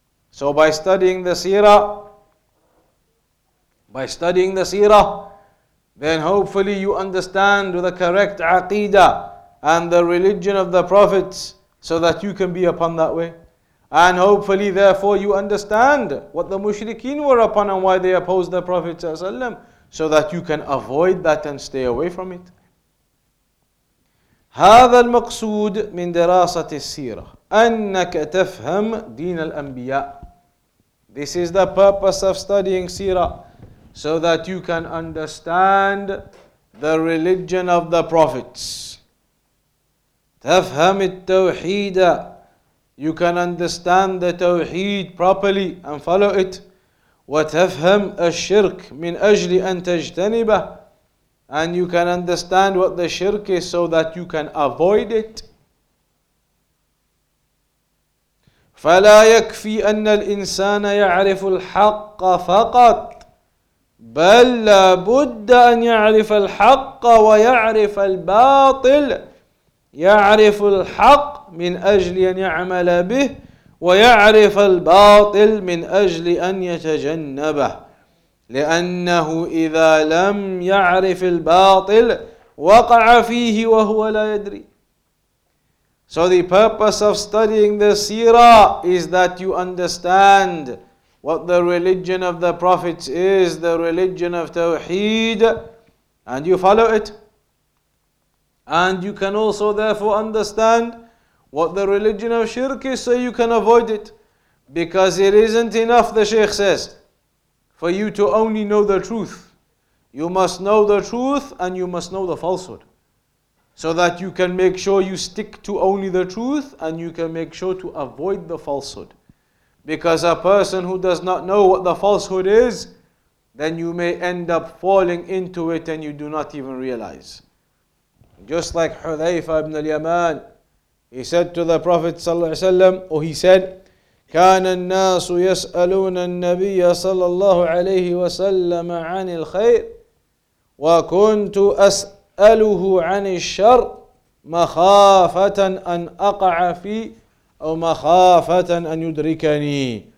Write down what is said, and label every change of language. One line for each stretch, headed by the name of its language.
English: So by studying the seerah, then hopefully you understand the correct aqidah and the religion of the prophets so that you can be upon that way. And hopefully therefore you understand what the mushrikeen were upon and why they opposed the Prophet ﷺ, so that you can avoid that and stay away from it.
Arabic: هذا المقصود من دراسة السيرة أنك تفهم دين الأنبياء.
English: This is the purpose of studying Seerah, so that you can understand the religion of the prophets.
Arabic: تفهم التوحيد.
English: You can understand the Tawheed properly and follow it.
Arabic: وتفهم الشرك من أجل أن تجتنبه.
English: And you can understand what the shirk is so that you can avoid it.
Arabic: فلا يكفي أن الإنسان يعرف الحق فقط بل لابد أن يعرف الحق ويعرف الباطل يعرف الحق من أجل أن يعمل به ويعرف الباطل من أجل أن يتجنبه لأنه إذا لم يعرف الباطل وقع فيه وهو لا يدري.
English: So the purpose of studying the seerah is that you understand what the religion of the prophets is, the religion of Tawheed, and you follow it. And you can also therefore understand what the religion of shirk is so you can avoid it. Because it isn't enough, the Shaykh says, for you to only know the truth. You must know the truth and you must know the falsehood, so that you can make sure you stick to only the truth and you can make sure to avoid the falsehood. Because a person who does not know what the falsehood is, then you may end up falling into it and you do not even realize. Just like Hudhayfa ibn al-Yaman, he said to the Prophet sallallahu alaihi wasallam, or he said,
Arabic: كان الناس يسألون النبي صلى الله عليه وسلم عن الخير وكنت أسأله عن الشر مخافة أن أقع في أو مخافة أن يدركني.